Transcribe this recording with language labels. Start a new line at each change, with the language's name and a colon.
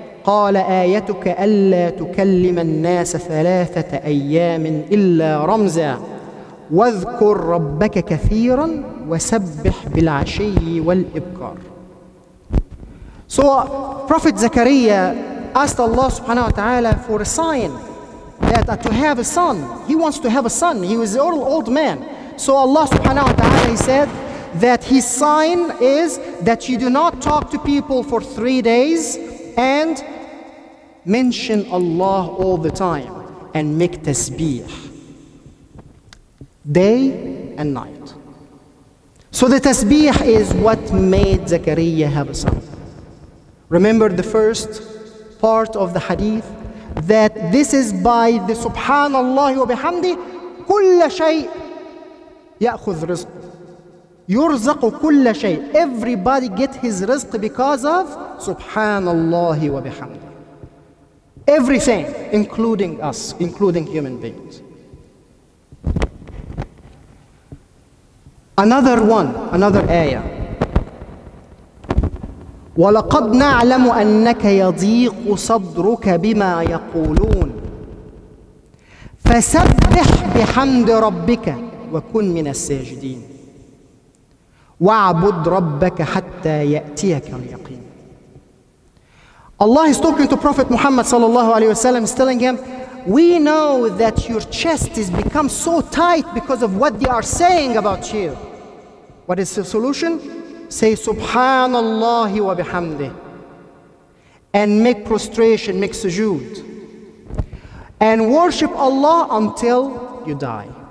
Arabic: قال آيتك ألا تكلم الناس 3 أيام إلا رمزا واذكر ربك كثيرا وسبح بالعشي والإبكار.
English: So Prophet Zakaria asked Allah subhanahu wa ta'ala for a sign that to have a son. He wants to have a son. He was an old man. So Allah subhanahu wa ta'ala, he said that his sign is that you do not talk to people for 3 days and mention Allah all the time and make tasbih day and night. So the tasbih is what made Zakaria have a son. Remember the first part of the hadith that this is by the
Arabic: subhanallah wa bihamdi kulla shay
English: ya'khudh rizq yurzaqu kulla shay, everybody get his rizq because of subhanallah wa bihamdi, everything including us, including human beings. Another ayah,
Arabic: وَلَقَدْ نَعْلَمُ أَنَّكَ يَضِيقُ صَدْرُكَ بِمَا يَقُولُونَ فَسَبِّحْ بِحَمْدِ رَبِّكَ وَكُنْ مِنَ السَّاجِدِينَ وَعْبُدْ رَبَّكَ حَتَّى يَأْتِيَكَ الْيَقِينَ.
English: Allah is talking to Prophet Muhammad sallallahu alayhi wa sallam, is telling him, we know that your chest has become so tight because of what they are saying about you. What is the solution? Say subhanallah wa bihamdi and make prostration, make sujood and worship Allah until you die.